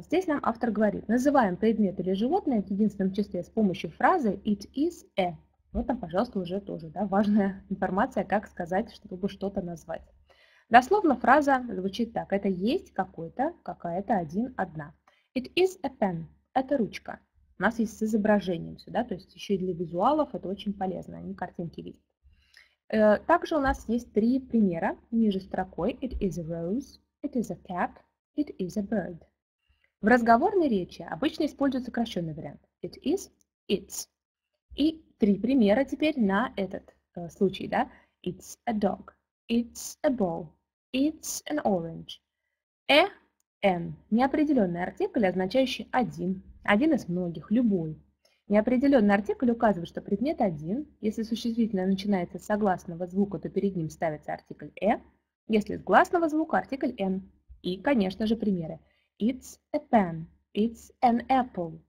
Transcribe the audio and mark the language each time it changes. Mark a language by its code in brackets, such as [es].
[ru] Здесь нам автор говорит, называем предмет или животное в единственном числе с помощью фразы [en] «It is a». [ru] Вот там, пожалуйста, уже тоже, да, важная информация, как сказать, чтобы что-то назвать. Дословно фраза звучит так. Это есть какой-то, какая-то, один, одна. [en] «It is a pen» – [ru] это ручка. У нас есть с изображением сюда, то есть еще и для визуалов это очень полезно, они картинки видят. Также у нас есть три примера ниже строкой. [en] It is a rose, it is a cat, it is a bird. [ru] В разговорной речи обычно используется сокращенный вариант. [en] It is, it's. [ru] И три примера теперь на этот случай. Да? [en] It's a dog, it's a ball, it's an orange. A, an. [ru] Неопределенный артикль, означающий один. Один из многих, любой. Неопределенный артикль указывает, что предмет один. Если существительное начинается с согласного звука, то перед ним ставится артикль «э». Если с гласного звука, артикль «н». И, конечно же, примеры. [en] It's a pen. It's an apple.